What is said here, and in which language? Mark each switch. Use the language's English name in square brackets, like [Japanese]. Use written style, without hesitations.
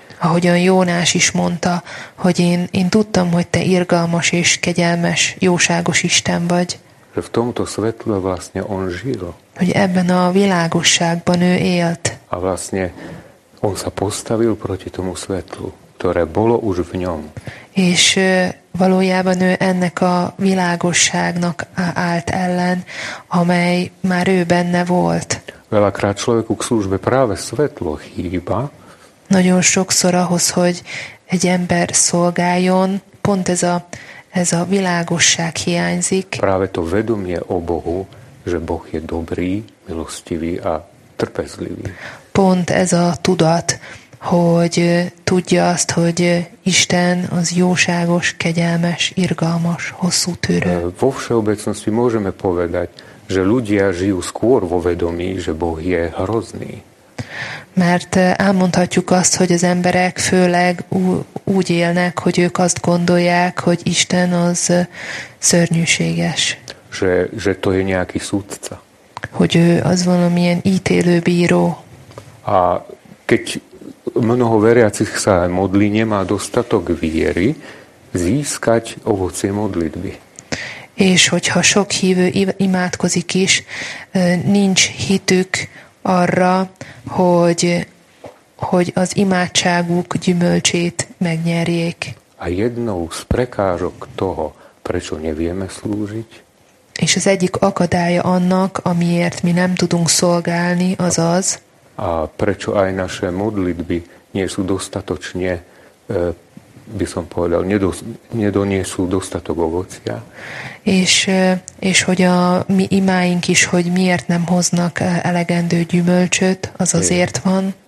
[Hungarian] Ahogyan Jónás is mondta, hogy én tudtam, hogy te irgalmas és kegyelmes, jóságos Isten vagy. [Slovak] Že v tomto svetle vlastne on žil. [Hungarian] Hogy ebben a világosságban ő élt. [Slovak] A vlastne on sa postavil proti tomu svetlu, ktoré bolo už v ňom. [Hungarian] És valójában ő ennek a világosságnak állt ellen, amely már ő benne volt. [Slovak] Veľakrát človeku k službe práve svetlo chýba. [Hungarian] Nagyon sokszor ahhoz, hogy egy ember szolgáljon, pont ez a világosság hiányzik. [Slovak] Práve to vedomie o Bohu, že Boh je dobrý, milostivý a trpezlivý. [Hungarian] Pont ez a tudat, hogy tudja azt, hogy Isten az jóságos, kegyelmes, irgalmas, hosszú tűrő. [Slovak] Vo všeobecnosti môžeme povedať, že ľudia žijú skôr vo vedomí, že Boh je hrozný. [Hungarian] Mert elmondhatjuk azt, hogy az emberek főleg úgy élnek, hogy ők azt gondolják, hogy Isten az szörnyűséges. [Slovak] Že to je nejaký súdca. [Hungarian] Hogy ő az valamilyen ítélő bíró. [Slovak] A keď mnoho veriacich sa modlí, nemá dostatok viery získať ovocie modlitby. [Hungarian] És hogyha sok hívő imádkozik is, nincs hitük arra, hogy az imádságuk gyümölcsét megnyerjék. [Slovak] A jednou z prekážok toho, prečo nevieme slúžiť, [Hungarian] és az egyik akadálya annak, amiért mi nem tudunk szolgálni, az az, [Slovak] a prečo aj naše modlitby nie sú dostatočne, by som povedal, nedoniesú dostatok ovocia. [Hungarian] És hogy a mi imáink is, hogy miért nem hoznak elegendő gyümölcsöt, az azért van.